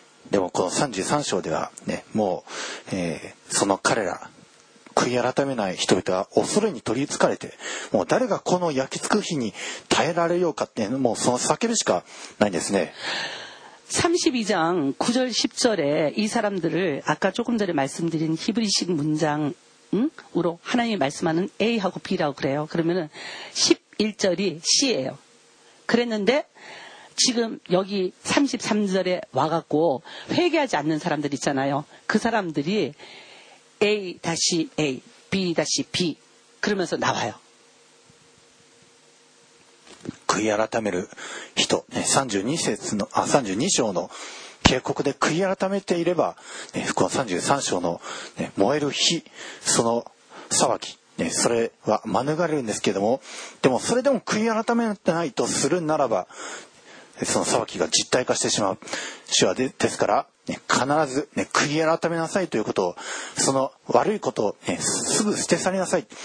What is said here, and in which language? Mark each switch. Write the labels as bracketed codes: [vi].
[ja] でもこの33章ではねもう、その彼ら悔い改めない人々は恐れに取り憑かれてもう誰がこの焼き付く火に耐えられようかってもうその叫びしかないんですね [ko] 32장 9절 10절에 이 사람들을 아까 조금 전에 말씀드린 히브리식 문장으로 하나님이 말씀하는 A하고 B라고 그래요. 그러면은 11절이 C예요. 그랬는데 지금 여기 33절에 와갖고 회개하지 않는 사람들 있잖아요. 그 사람들이 A-A, B-B 그러면서 나와요. [ja] 悔い改める人、ね、32節の、あ、32章の警告で悔い改めていれば、ね、この33章の、ね、燃える火、その騒ぎ、ね、それは免れるんですけども、でもそれでも悔い改めないとするならば、その騒ぎが実体化してしまう主は ですから、ね、必ず、ね、悔い改めなさいということを、その悪いことを、ね、すぐ捨て去りなさい。